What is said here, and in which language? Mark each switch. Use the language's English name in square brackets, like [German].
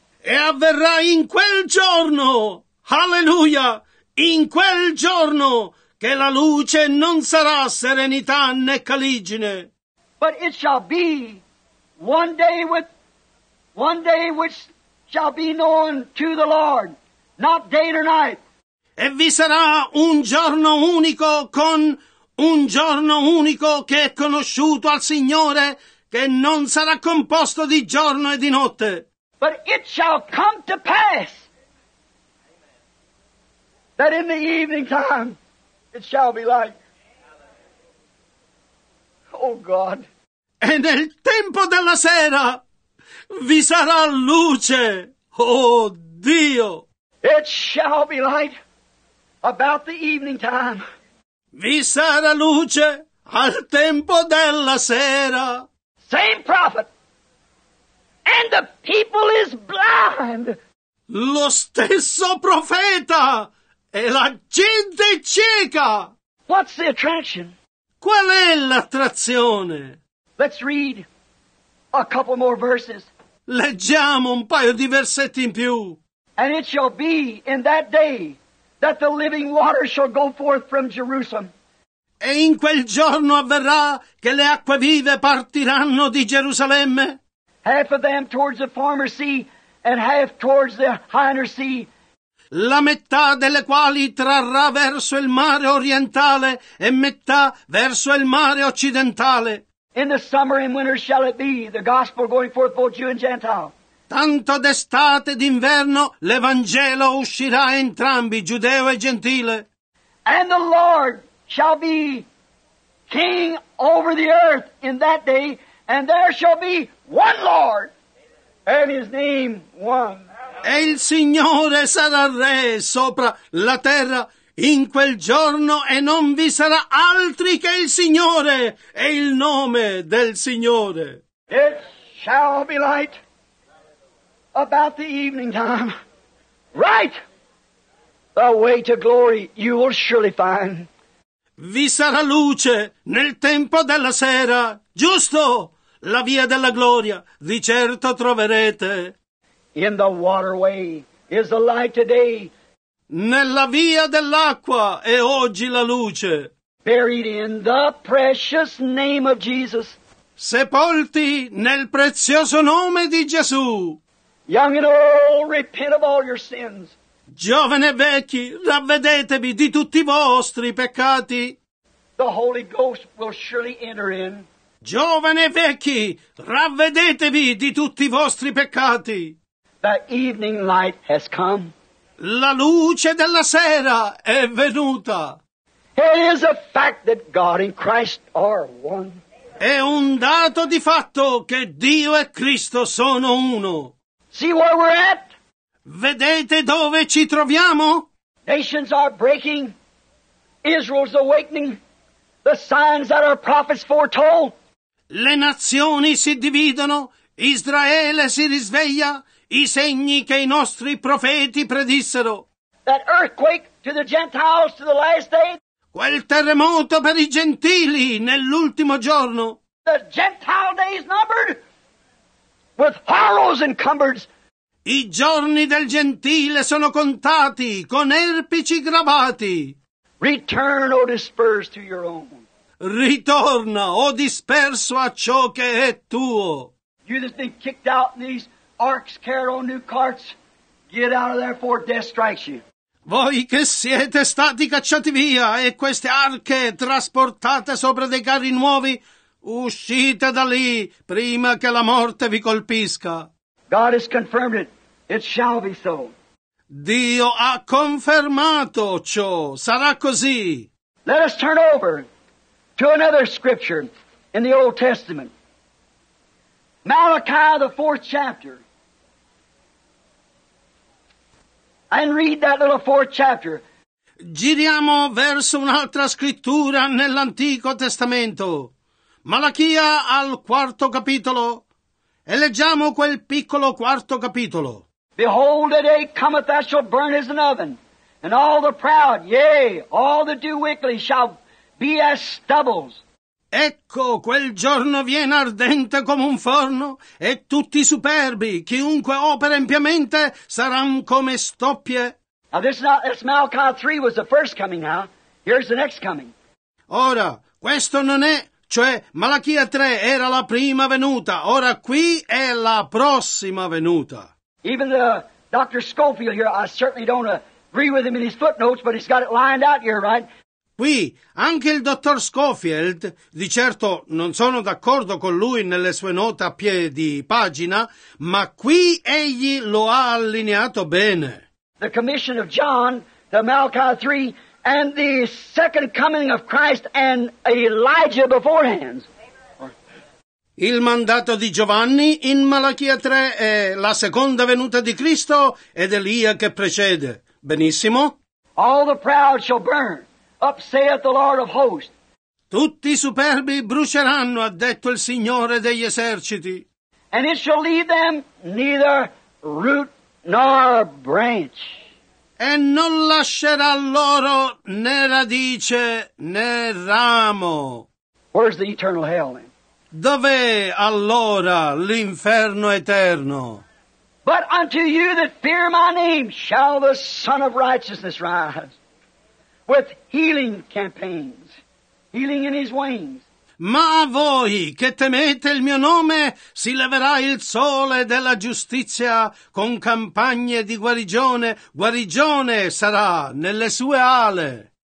[Italian] E avverrà in quel giorno. Hallelujah. In quel giorno. Che la luce non sarà serenità né caligine. [English] But it shall be one day which shall be known to the Lord, not day nor night. [Italian] E vi sarà un giorno unico con un giorno unico che è conosciuto al Signore, che non sarà composto di giorno e di notte. [English] But it shall come to pass that in the evening time. It shall be like, oh God. [Italian] E nel tempo della sera vi sarà luce, oh Dio. [English] It shall be like about the evening time. [Italian] Vi sarà luce al tempo della sera. [English] Same prophet. And the people is blind. [Italian] Lo stesso profeta e la gente è cieca. [English] What's the attraction? [Italian] Qual è l'attrazione? [English] Let's read a couple more verses. [Italian] Leggiamo un paio di versetti in più. [English] And it shall be in that day that the living water shall go forth from Jerusalem. [Italian] E in quel giorno avverrà che le acque vive partiranno di Gerusalemme. [English] Half of them towards the former sea and half towards the higher sea. [Italian] La metà delle quali trarrà verso il mare orientale e metà verso il mare occidentale. [English] In the summer and winter shall it be, the gospel going forth both Jew and Gentile. [Italian] Tanto d'estate d'inverno l'Evangelo uscirà entrambi, Giudeo e Gentile. [English] And the Lord shall be king over the earth in that day, and there shall be one Lord, and his name one. [Italian] E il Signore sarà re sopra la terra in quel giorno e non vi sarà altri che il Signore e il nome del Signore. [English] It shall be light about the evening time. Right! The way to glory you will surely find. [Italian] Vi sarà luce nel tempo della sera. Giusto! La via della gloria di certo troverete. [English] In the waterway is the light today. [Italian] Nella via dell'acqua è oggi la luce. [English] Buried in the precious name of Jesus. [Italian] Sepolti nel prezioso nome di Gesù. [English] Young and old, repent of all your sins. [Italian] Giovani e vecchi, ravvedetevi di tutti i vostri peccati. [English] The Holy Ghost will surely enter in. [Italian] Giovani e vecchi, ravvedetevi di tutti i vostri peccati. [English] The evening light has come. [Italian] La luce della sera è venuta. [English] It is a fact that God and Christ are one. [Italian] È un dato di fatto che Dio e Cristo sono uno. [English] See where we're at? [Italian] Vedete dove ci troviamo? [English] Nations are breaking. Israel's awakening. The signs that our prophets foretold. [Italian] Le nazioni si dividono. Israele si risveglia. I segni che i nostri profeti predissero. [English] That earthquake to the Gentiles to the last day. [Italian] Quel terremoto per i gentili nell'ultimo giorno. [English] The Gentile days numbered with harrows encumbered. [Italian] I giorni del gentile sono contati con erpici gravati. [English] Return, O dispersed, to your own. [Italian] Ritorna, O disperso, a ciò che è tuo. [English] You that have been kicked out in these arks carried on new carts, get out of there before death strikes you. [Italian] Voi che siete stati cacciati via e queste arche trasportate sopra dei carri nuovi, uscite da lì prima che la morte vi colpisca. [English] God has confirmed it. It shall be so. [Italian] Dio ha confermato ciò. Sarà così. [English] Let us turn over to another scripture in the Old Testament. Malachi, the fourth chapter. And read that little fourth chapter. [Italian] Giriamo verso un'altra scrittura nell'Antico Testamento. Malachia al quarto capitolo. E leggiamo quel piccolo quarto capitolo. [English] Behold, a day cometh that shall burn as an oven, and all the proud, yea, all that do wickedly, shall be as stubbles. [Italian] Ecco, quel giorno viene ardente come un forno, e tutti i superbi, chiunque opera impiamente, saranno come stoppie. [English] Now this is not, this Malachi 3 was the first coming now. Here's the next coming. [Italian] Ora, questo non è, cioè Malachia 3 era la prima venuta, ora qui è la prossima venuta. [English] Even the Dr. Scofield here, I certainly don't agree with him in his footnotes, but he's got it lined out here, right? [Italian] Qui, anche il dottor Scofield, di certo non sono d'accordo con lui nelle sue note a piedi pagina, ma qui egli lo ha allineato bene. [English] The commission of John, the Malachi 3, and the second coming of Christ and Elijah beforehand. [Italian] Il mandato di Giovanni in Malachia 3 è la seconda venuta di Cristo ed Elia che precede. Benissimo. [English] All the proud shall burn, up saith the Lord of hosts. [Italian] Tutti i superbi bruceranno, ha detto il Signore degli eserciti. [English] And it shall leave them neither root nor branch. [Italian] E non lascerà loro né radice né ramo. [English] Where's the eternal hell then? [Italian] Dov'è allora l'inferno eterno? [English] But unto you that fear my name shall the Son of Righteousness rise with healing campaigns, healing in his wings. [Italian] Ma a voi che temete il mio nome si leverà il sole della giustizia con campagne di guarigione, guarigione sarà nelle sue ali.